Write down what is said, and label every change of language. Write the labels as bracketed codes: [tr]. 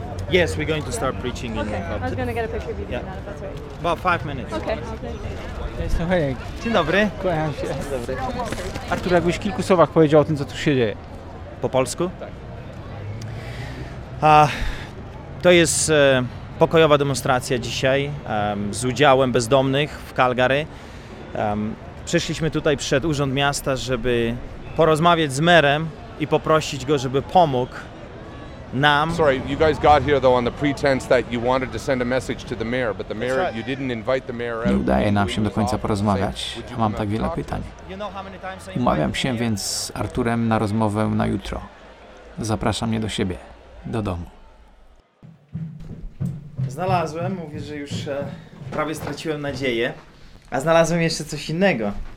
[en] Yes, we're going to start preaching okay. in the pub. I was going to get a picture of you doing that, if that's right. About 5 minutes. Okay. [pl] Jestem Henryk. Dzień dobry. Kłaniam się. Dzień dobry. Artur, jakbyś w kilku słowach powiedział o tym, co tu się dzieje. Po polsku? Tak. To jest pokojowa demonstracja dzisiaj z udziałem bezdomnych w Calgary. Przyszliśmy tutaj przed Urząd Miasta, żeby porozmawiać z merem i poprosić go, żeby pomógł nam. [en] Sorry, you guys got here though on the pretense that you wanted to send a message to the mayor, but the mayor, you didn't invite the mayor. [pl] Nie udaje nam się do końca porozmawiać. Mam tak wiele pytań. Umawiam się więc z Arturem na rozmowę na jutro. Zapraszam mnie do siebie, do domu. Znalazłem, mówię, że już prawie straciłem nadzieję, a znalazłem jeszcze coś innego.